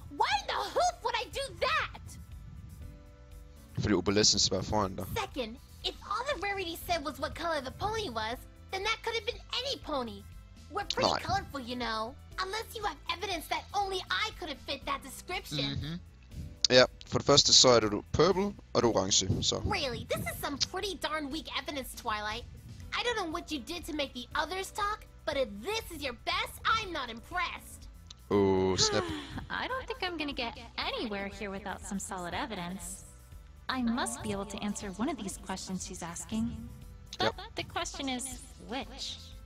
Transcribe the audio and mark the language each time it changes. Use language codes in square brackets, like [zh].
[en] Why in the hoof would I do that? [da] Fordi obelisken var foran dig. [en] Second, if all the Rarity said was what color the pony was, then that could have been any pony. We're pretty [da] Nej. [en] Colorful, you know. Unless you have evidence that only I could have fit that description. Mm-hmm. [da] Ja, for det første så er det du purple og du orange, så. [en] Really, this is some pretty darn weak evidence, Twilight. I don't know what you did to make the others talk, but if this is your best, I'm not impressed. Oh, snap. I don't think I'm gonna get anywhere here without some solid evidence. I must be able to answer one of these questions she's asking. But the question is, which?